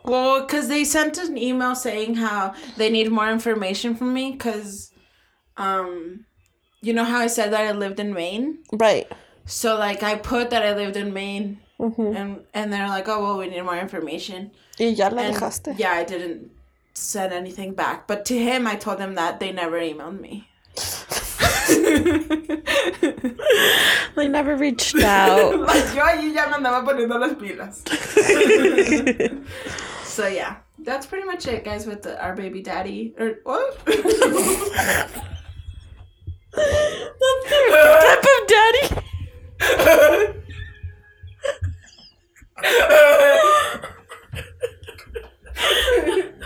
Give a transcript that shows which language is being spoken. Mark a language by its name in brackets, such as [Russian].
[English] Well, because they sent an email saying how they need more information from me, because, you know how I said that I lived in Maine? Right. So, like, I put that I lived in Maine, and they're like, oh, well, we need more information. [Spanish] Y ya la dejaste. [English] Yeah, I didn't send anything back. But to him, I told them that they never emailed me. They never reached out. [Spanish] Yo allí ya me andaba poniendo las pilas. [English] So yeah, that's pretty much it, guys, with our baby daddy. Or what? What type of daddy?